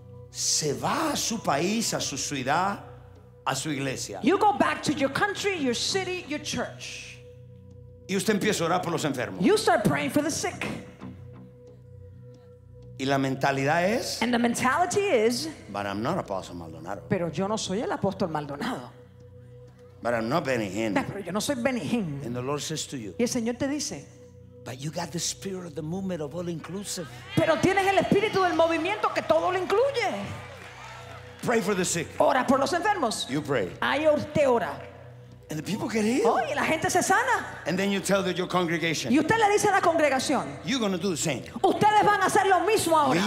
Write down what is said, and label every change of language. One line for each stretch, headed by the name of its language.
Spanish: Se va a su país, a su ciudad, a su iglesia.
English: You go back to your country, your city, your church.
Spanish: Y usted empieza a orar por los enfermos.
English: You start praying for the sick.
Spanish: Y la mentalidad es.
English: And the mentality is. But I'm not Apostle Maldonado.
Spanish: Pero yo no soy el apóstol Maldonado.
English: But I'm not Benny Hinn.
Spanish: Pero yo no soy Benny Hinn.
English: And the Lord says to you.
Spanish: Y el Señor te dice.
English: But you got the spirit of the movement of all inclusive.
Spanish: Pero tienes el espíritu del movimiento que todo lo incluye.
English: Pray for the sick.
Spanish: Ora por los enfermos.
English: You pray.
Spanish: Ahí usted ora.
English: And the people get healed.
Spanish: Oh, y la gente se sana.
English: And then you tell your congregation.
Spanish: Y usted le dice a la congregación.
English: You're going to do the same.
Spanish: Ustedes van a hacer lo mismo ahora.